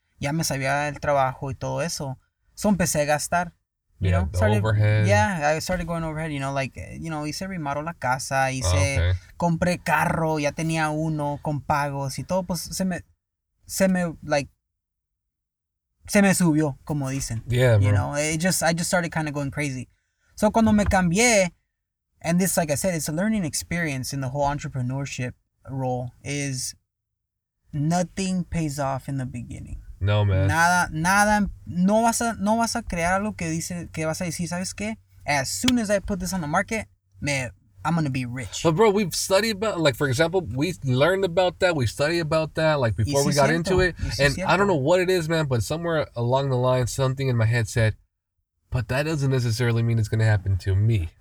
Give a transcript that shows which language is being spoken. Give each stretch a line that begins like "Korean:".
Spanish: Ya me sabía el trabajo y todo eso. So empecé a gastar, you
English: yeah, know? Started, overhead. Yeah, I started going overhead, you know, like, you know,
Spanish: hice remodel la casa, hice,
English: oh, okay.
Spanish: compré carro, ya tenía uno con pagos y todo, pues se me subió, como dicen.
English: Yeah, bro. You know, I just started kind of going crazy.
Spanish: So cuando me cambié,
English: and this, like I said, it's a learning experience in the whole entrepreneurship role, is nothing pays off in the beginning. No, man.
Spanish: Nada. No vas a crear algo que dice, que vas a decir, ¿sabes qué?
English: As soon as I put this on the market, I'm going to be rich. But bro, we've studied about, like, for example, we learned about that. We studied about that, like, before we got into it. And I don't know what it is, man, but somewhere along the line, something in my head said, but that doesn't necessarily mean it's going to happen to me.